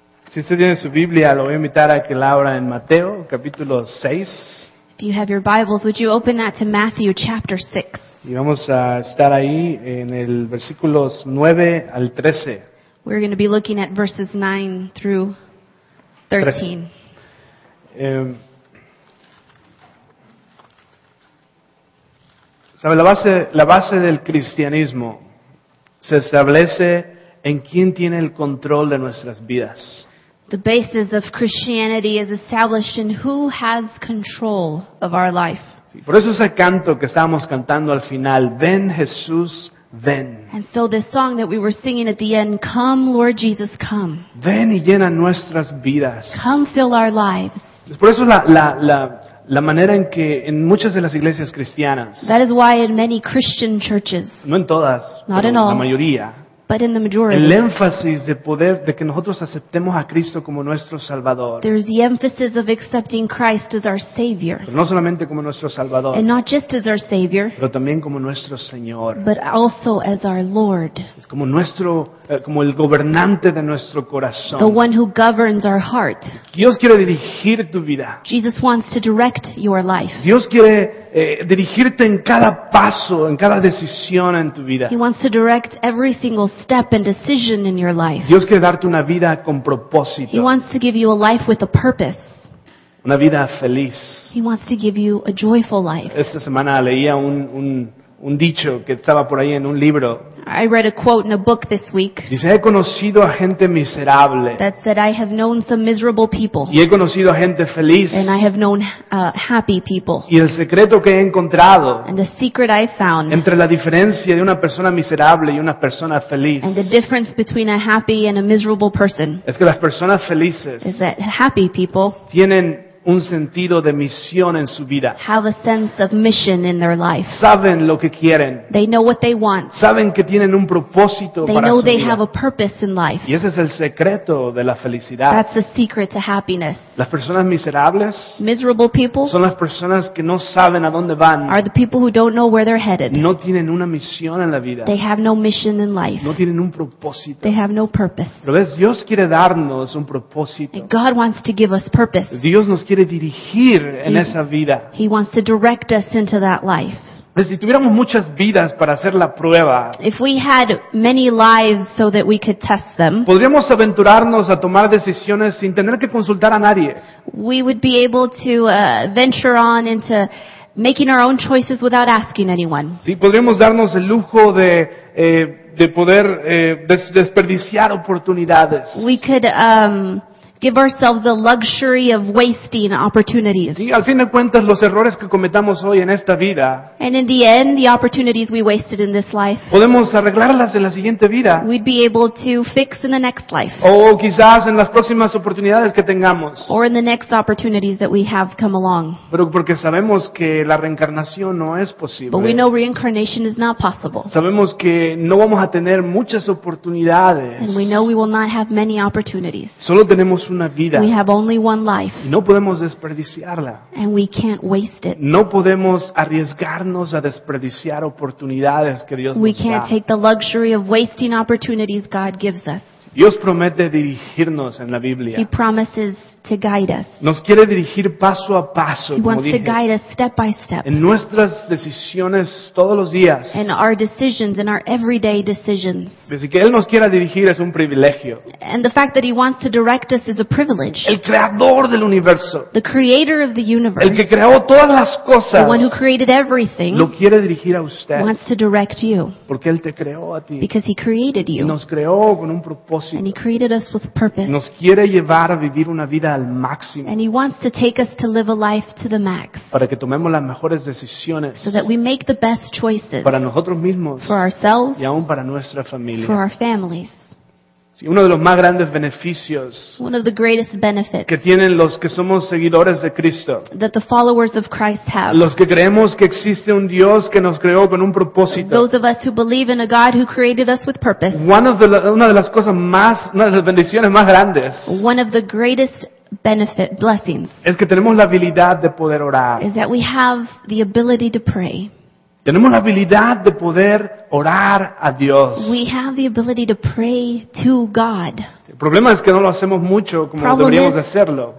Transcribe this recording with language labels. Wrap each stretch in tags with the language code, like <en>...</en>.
<es>Si usted tiene su Biblia, lo voy a invitar a que la abra en Mateo, capítulo 6.</es> <en>If you have your Bibles, would you open that to Matthew chapter 6?</en> <es>Y vamos a estar ahí en el versículos 9 al 13.</es> <en>We're going to be looking at verses 9 through 13.</en> <es>¿Sabe? La base del cristianismo se establece en quién tiene el control de nuestras vidas.</es> <en>The basis of Christianity is established in who has control of our life.</en> <es>Sí, por eso ese canto que estábamos cantando al final, Ven Jesús, ven.</es> <en>And so this song that we were singing at the end, Come Lord Jesus, come.</en> <es>Ven y llena nuestras vidas.</es> <en>Come fill our lives.</en> <es>Es por eso la manera en que en muchas de las iglesias cristianas.</es> <en>That is why in many Christian churches.</en> <es>No en todas,</es> <en>not</en> <es>pero</es> <en>in all,</en> <es>la mayoría.</es> <en>But in the majority,</en> <es>el énfasis de poder de que nosotros aceptemos a Cristo como nuestro Salvador.</es> <en>There is the emphasis of accepting Christ as our Savior.</en> <es>Pero no solamente como nuestro Salvador.</es> <en>And not just as our Savior.</en> <es>Pero también como nuestro Señor.</es> <en>But also as our Lord.</en> <es>Es como nuestro, como el gobernante de nuestro corazón.</es> <en>The one who governs our heart.</en> <es>Dios quiere dirigir tu vida.</es> <en>Jesus wants to direct your life.</en> <es>Dios quiere dirigirte en cada paso, en cada decisión en tu vida.</es> <en>He wants to direct every single step and decision in your life.</en> <es>Dios quiere darte una vida con propósito.</es> <en>He wants to give you a life with a purpose.</en> <es>Una vida feliz.</es> <en>He wants to give you a joyful life.</en> <es>Esta semana leía un dicho que estaba por ahí en un libro.</es> <en>I read a quote in a book this week.</en> <es>Dice, he conocido a gente miserable.</es> <en>That said, I have known some miserable people.</en> <es>Y he conocido a gente feliz.</es> <en>And I have known happy people.</en> <es>Y el secreto que he encontrado.</es> <en>And the secret I found.</en> <es>Entre la diferencia de una persona miserable y una persona feliz.</es> <en>And the difference between a happy and a miserable person.</en> <es>Es que las personas felices.</es> <en>Is that happy people.</en> <es>Tienen un sentido de misión en su vida.</es> <en>Have a sense of mission in their life.</en> <es>Saben lo que quieren.</es> <en>They know what they want.</en> <es>Saben que tienen un propósito</es> <en>they</en> <es>para</es> <en>know</en> <es>su</es> <en>they</en> <es>vida.</es> <en>Have a purpose in life.</en> <es>Y ese es el secreto de la felicidad.</es> <en>That's the secret to happiness.</en> <es>Las personas miserables</es> <en>miserable people</en> <es>son las personas que no saben a dónde van.</es> <en>Are the people who don't know where they're headed.</en> <es>No tienen una misión en la vida.</es> <en>They have no mission in life.</en> <es>No tienen un propósito.</es> <en>They have no purpose.</en> <es>Pero ves, Dios quiere darnos un propósito.</es> <en>And God wants to give us purpose.</en> <es>Dios nos quiere dirigir en esa vida.</es> <en>He wants to direct us into that life.</en> <es>Si tuviéramos muchas vidas para hacer la prueba,</es> <en>if we had many lives so that we could test them,</en> <es>podríamos aventurarnos a tomar decisiones sin tener que consultar a nadie.</es> <en>We would be able to venture on into making our own choices without asking anyone.</en> <es>Sí, podríamos darnos el lujo de poder desperdiciar oportunidades.</es> <en>We could give ourselves the luxury of wasting opportunities.</en> <es>Sí, al fin de cuentas, los errores que cometamos hoy en esta vida.</es> <en>And in the end, the opportunities we wasted in this life.</en> <es>Podemos arreglarlas en la siguiente vida.</es> <en>We'd be able to fix in the next life.</en> <es>O quizás en las próximas oportunidades que tengamos.</es> <en>Or in the next opportunities that we have come along.</en> <es>Pero porque sabemos que la reencarnación no es posible.</es> <en>But we know reincarnation is not possible.</en> <es>Sabemos que no vamos a tener muchas oportunidades.</es> <en>And we know we will not have many opportunities.</en> <es>Solo tenemos una vida.</es> <en>We have only one life.</en> <es>No podemos desperdiciarla.</es> <en>And we can't waste it.</en> <es>No podemos arriesgarnos a desperdiciar oportunidades que Dios nos da.</es> <en>We can't take the luxury of wasting opportunities God gives us.</en> <es>Dios promete dirigirnos en la Biblia.</es> <en>He promises to guide us.</en> <es>Nos quiere dirigir paso a paso,</es> <en>He</en> <es>como</es> <en>wants</en> <es>dije,</es> <en>to guide us step by step.</en> <es>En nuestras decisiones todos los días.</es> <en>In our decisions, in our everyday decisions.</en> <es>Desde que Él nos quiera dirigir es un privilegio.</es> <en>And the fact that He wants to direct us is a privilege.</en> <es>El creador del universo.</es> <en>The creator of the universe.</en> <es>El que creó todas las cosas.</es> <en>The one who created everything.</en> <es>Lo quiere dirigir a usted.</es> <en>Wants to direct you.</en> <es>Porque Él te creó a ti.</es> <en>Because He created you.</en> <es>Y nos creó con un propósito.</es> <en>And He created us with purpose.</en> <es>Nos quiere llevar a vivir una vida al máximo.</es> <en>And He wants to take us to live a life to the max.</en> <es>Para que tomemos las mejores decisiones.</es> <en>So that we make the best choices.</en> <es>Para nosotros mismos.</es> <en>For ourselves.</en> <es>Y aún para nuestra familia.</es> <en>For our families.</en> <es>Sí, uno de los más grandes beneficios.</es> <en>One of the greatest benefits.</en> <es>Que tienen los que somos seguidores de Cristo.</es> <en>That the followers of Christ have.</en> <es>Los que creemos que existe un Dios que nos creó con un propósito.</es> <en>Those of us who believe in a God who created us with purpose.</en> <es>Una de las bendiciones más grandes.</es> <en>One of the greatest benefit blessings.</en> <es>Es que tenemos la habilidad de poder orar.</es> <en>Is that we have the ability to pray.</en> <es>Tenemos la habilidad de poder orar a Dios.</es> <en>We have the ability to pray to God.</en> <es>El problema es que no lo hacemos mucho como deberíamos hacerlo.</es>